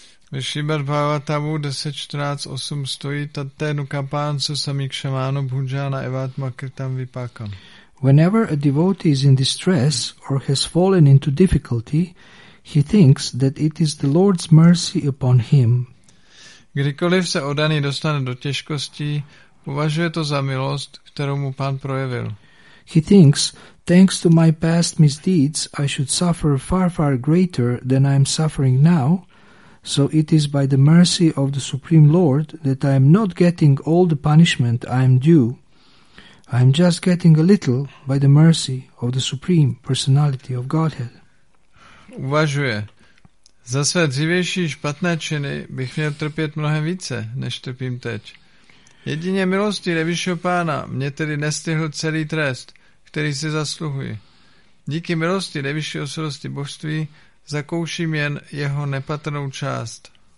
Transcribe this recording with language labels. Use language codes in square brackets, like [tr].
[cs] Ve Srimad Bhagavatamu 10.14.8 stojí [sa] Tatenu kampam susamikshamano bunjana evatma kritam vipakam. [en] Whenever a devotee is in distress or has fallen into difficulty, he thinks that it is the Lord's mercy upon him. [cs] Kdykoliv se oddaný dostane do těžkostí, považuje to za milost, kterou mu Pán projevil. [en] He thinks, thanks to my past misdeeds, I should suffer far, far greater than I am suffering now, so it is by the mercy of the Supreme Lord that I am not getting all the punishment I am due. I am just getting a little by the mercy of the Supreme Personality of Godhead. [cs] Uvažuje, za své dřívější špatné činy bych měl trpět mnohem více, než trpím teď. Jedině milostí nejvyššího pána mě tedy nestihl celý trest, který si zasluhuji. Díky milosti nejvyššího svatosti božství zakouším jen jeho nepatrnou část.